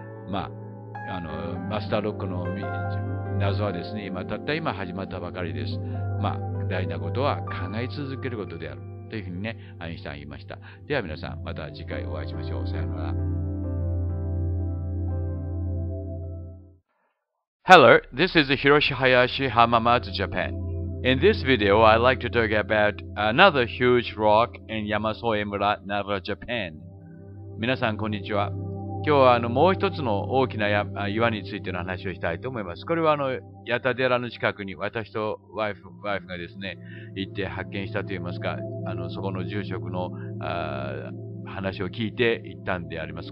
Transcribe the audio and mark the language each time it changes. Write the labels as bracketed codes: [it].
[ja] まあ、マスダロックの謎はですね、今たった今始まったばかりです。まあ、大事なことは考え続けることであるというふうにね、アインシュタイン言いました。では皆さん、また次回お会いしましょう。さようなら。 [en] Hello, this is Hiroshi Hayashi, Hamamatsu, Japan. In this video, I'd like to talk about another huge rock in Yamasoe Mura, Nara, Japan. [ja] 皆さん、こんにちは。今日はもう一つの大きな岩についての話をしたいと思います。これは八田寺の近くに私とワイフがですね、行って発見したといいますか、そこの住職の話を聞いて行ったんであります。